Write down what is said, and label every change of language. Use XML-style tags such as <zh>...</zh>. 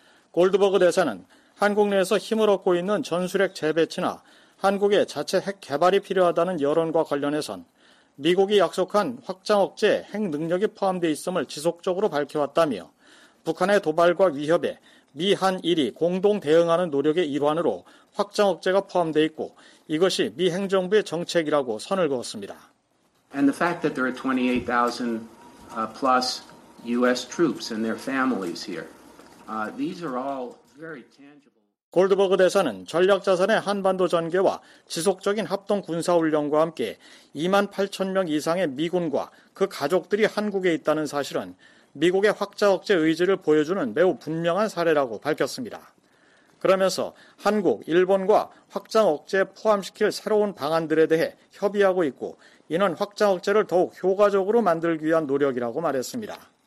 <ko>골드버그 대사는 한국 내에서 힘을 얻고 있는 전술핵 재배치나 한국의 자체 핵 개발이 필요하다는 여론과 관련해선 미국이 약속한 확장 억제 핵 능력이 포함되어 있음을 지속적으로 밝혀왔다며 북한의 도발과 위협에 미한일이 공동 대응하는 노력의 일환으로 확장 억제가 포함되어 있고 이것이 미 행정부의 정책이라고 선을 그었습니다.</ko> <en>And the fact that there are 28,000 plus U.S. troops and their families here, these are all very tangible.</en> <ko>골드버그 대사는 전략자산의 한반도 전개와 지속적인 합동 군사훈련과 함께 2만 8천 명 이상의 미군과 그 가족들이 한국에 있다는 사실은 미국의 확장 억제 의지를 보여주는 매우 분명한 사례라고 밝혔습니다. 그러면서 한국, 일본과 확장 억제에 포함시킬 새로운 방안들에 대해 협의하고 있고 이는 확장 억제를 더욱 효과적으로 만들기 위한 노력이라고 말했습니다.</ko>